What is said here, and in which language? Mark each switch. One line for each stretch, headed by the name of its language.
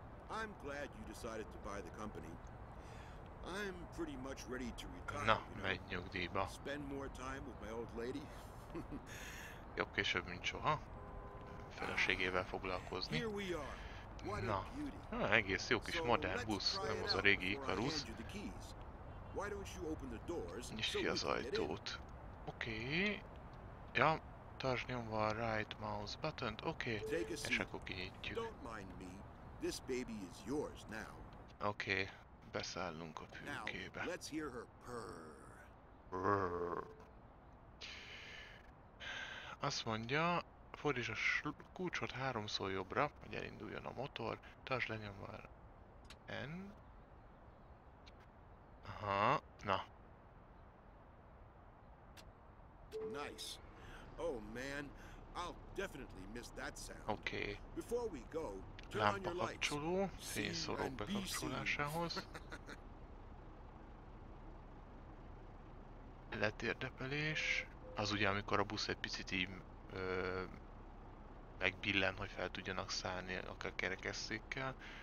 English: I'm glad you decided to buy the company. I'm pretty much ready to retire.
Hungarian: Na, megy nyugdíjba.
English: Spend more time with my old lady.
Hungarian: Jobb később, mint soha. Feleségével foglalkozni.
English: Here we are. What a beauty.
Hungarian: Na, egész jó kis modern busz, nem az a régi Ikarus.
English: Why don't you open the doors?
Hungarian: Nyisd ki az ajtót. Oké. Okay. Ja, tartsd nyomva a right mouse button-t. Oké. Okay. És akkor kinyitjuk.
English: Don't mind me. This baby is yours now.
Hungarian: Okay, beszállunk a fülkébe.
English: Now, let's hear her purr. Purr.
Hungarian: Azt mondja, fordíts a kulcsot háromszor jobbra, hogy elinduljon a motor. Tartsd lenyomva N. Aha, na.
English: Nice. Oh man, I'll definitely miss that sound. Okay. Before we go,
Hungarian: lámpa kapcsoló, fényszorok bekapcsolásához. Letérdepelés. Az ugye, amikor a busz egy picit így megbillen, hogy fel tudjanak szállni akár kerekesszékkel.